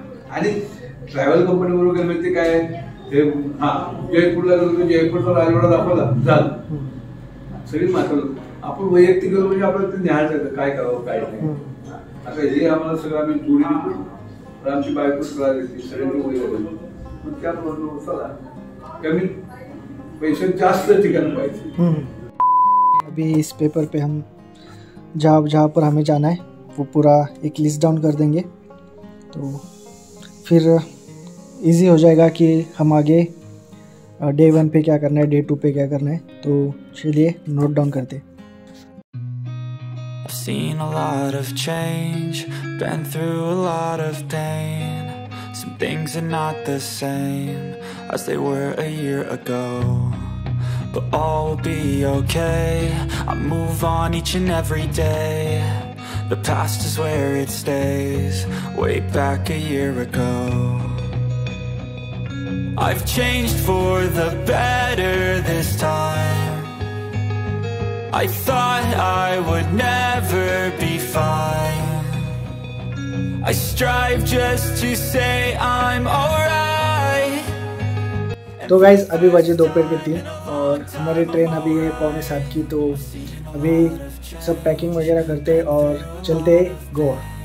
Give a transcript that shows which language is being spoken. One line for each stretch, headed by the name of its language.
Marathi: आणि travel company बरोबर मिळते काय हे, हा जयपूरला गेलो, जयपूरचा राजवाडा दाखवला झालं सगळी मात्र। आपण वैयक्तिक गेलो म्हणजे आपल्याला ते न्यायला जातं काय करावं काय नाही, असं हे आम्हाला सगळं आम्ही पुढे आमची बायको सगळ्या सगळ्यांची वय बघितली। मग त्यात म्हणून चला कमी पैसे जास्त ठिकाण पाहिजे.
Hindi: अभी इस पेपर पे हम जहाँ जहाँ पर हमें जाना है वो पूरा एक लिस्ट डाउन कर देंगे, तो फिर इजी हो जाएगा कि हम आगे डे वन पे क्या करना है, डे टू पे क्या करना है. तो चलिए नोट डाउन करते.
English: I've seen a lot of change, been through a lot of pain. Some things are not the same as they were a year ago. But all will be okay, I move on each and every day. The past is where it stays, way back a year ago. I've changed for the better this time. I thought I would never be fine. I strive just to say I'm alright.
Hindi: तो guys अभी बजे दोपहर के 3 और हमारी train अभी है 6:45 की. तो अभी सब पैकिंग वगैरह करते और चलते गोवा.